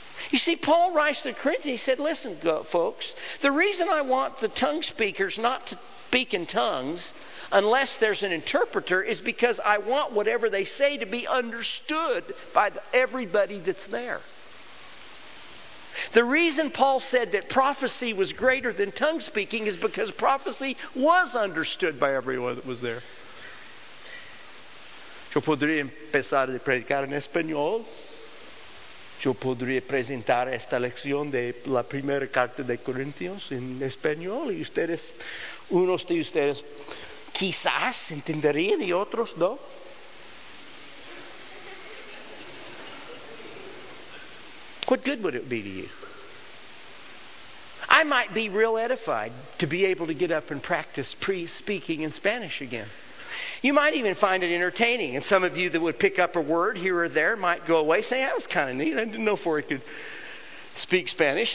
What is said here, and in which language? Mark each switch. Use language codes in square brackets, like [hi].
[en] You see, Paul writes to the Corinthians, he said, listen, folks, the reason I want the tongue speakers not to speak in tongues unless there's an interpreter is because I want whatever they say to be understood by everybody that's there. The reason Paul said that prophecy was greater than tongue speaking is because prophecy was understood by everyone that was there. [es] Yo podría empezar a predicar en español. Yo podría presentar esta lección de la primera carta de Corintios en español y ustedes, unos de ustedes quizás entenderían y otros no. [en] What good would it be to you? I might be real edified to be able to get up and practice pre-speaking in Spanish again. You might even find it entertaining. And some of you that would pick up a word here or there might go away saying, that was kind of neat. I didn't know before he could speak Spanish.